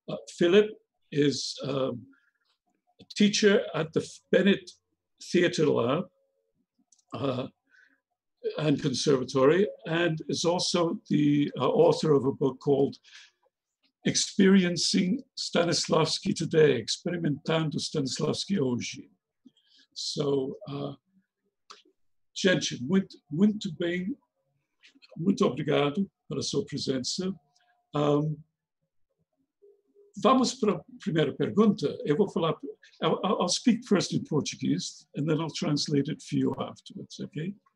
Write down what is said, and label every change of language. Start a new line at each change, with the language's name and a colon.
English: Philip is a teacher at the Bennett Theatre Lab and Conservatory, and is also the author of a book called Experiencing Stanislavski Today,
Portuguese: Experimentando Stanislavski Hoje. So, gente, muito bem, muito obrigado pela sua presença. Vamos para a primeira pergunta. Eu vou falar,
English: I'll speak first in Portuguese, and then I'll translate it for you afterwards, okay?